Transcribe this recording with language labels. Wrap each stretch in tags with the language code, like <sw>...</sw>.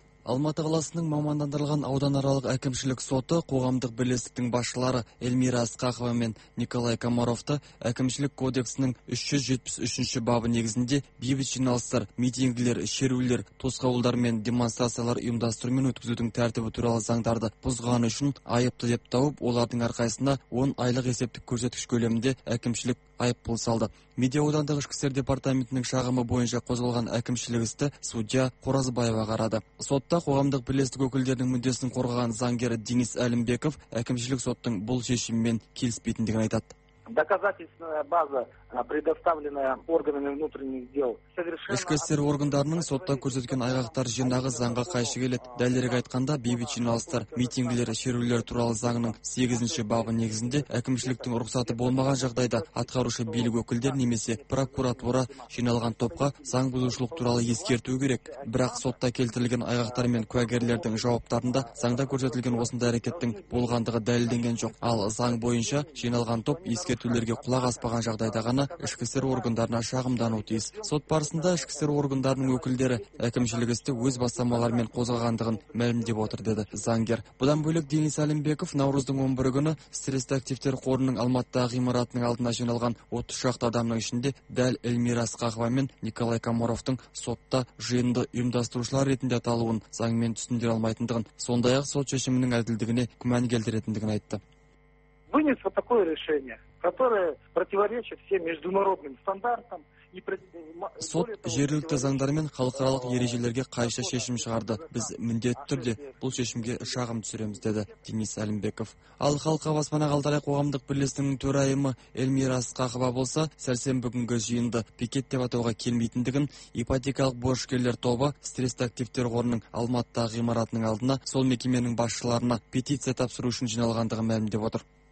<kk>Алматы қаласының мамандандырылған ауданаралық әкімшілік соты қоғамдық бірлестіктің басшылары Эльмира Ысқақова мен Николай Комаровты әкімшілік кодексінің 373-ші бабы негізінде бейбіт жиналыстар, митингілер, шерулер, тосқауылдар мен демонстрациялар ұйымдастыру мен өткізудің тәртібі туралы заңдарды бұзғаны үшін айыпты деп тауып, олардың арқасында 10 айлық есептік көрсеткіш көлемінде әкімшілік айыппұл салды. Медиа аудандық ішкі істер департаментінің шағымы бойынша қозғалған әкімшілік істі судья Қоразбаева қарады. Сотта қоғамдық бірлестік өкілдерінің мүддесін қорғаған заңгер Денис Әлімбеков әкімшілік соттың бұл шешімімен келіспейтіндігін айтады.</kk> <ru>Доказательная база, предоставленная органами внутренних дел.</ru> <kk>Ішкі істер органдарының сотта көрсеткен айғақтар жинағы заңға қайшы келеді. Дәлірек айтқанда, бейбіт жиналыстар, митингілер, шерулер туралы заңының 8-ші бабы негізінде әкімшіліктің рұқсаты болмаған жағдайда атқарушы билік өкілдері немесе прокуратура жиналған топқа заң бұзушылық туралы ескерту керек. Бірақ сотта келтірілген айғақтар мен куәгерлердің жауаптарында заңда көрсетілген осындай әрекеттің болғандығы дәлелденген жоқ. Ал заң бойынша жиналған топ ескертулерге құлақ аспаған жағдайда ғана ішкі істер органдарына шағымдануы тиіс. Сот барысында ішкі істер органдарының өкілдері әкімшілік істі өз бастамаларымен қозғағандығын мәлімдеп отыр, деді заңгер. Бұдан бөлек Денис Әлімбеков Наурыздың 11 күні стрессті активтер қорының Алматыдағы ғимаратының алдына жиналған 30 шақты адамның ішінде дәл Эльмира Ысқақова мен Николай Комаровтың сотта жиынды ұйымдастырушылар ретінде аталуын заңмен түсіндіре алмайтындығын, сондай-ақ сот шешімінің әділдігіне күмән келтіретіндігін айтты.</kk> <ru>Вынес вот такое решение, которое противоречит всем международным стандартам.</ru> <kk>Сот жергілікті заңдар мен халықаралық ережелерге қайшы шешім шығарды. Біз міндетті түрде бұл шешімге шағым түсіреміз, деді Денис Әлімбеков. Ал халыққа баспана қалдырай қоғамдық бірлестігінің төрайымы Эльмира Ысқақова болса, сәрсенбі күнгі жиынды пикет деп атауға келмейтіндігін, ипотекалық борышкерлер тобы стрессті активтер қорының Алматыдағы ғимаратының алдына сол мекеменің басшыларына петиция тапсыру үшін жиналғандығын мәлімдеп отыр.</kk>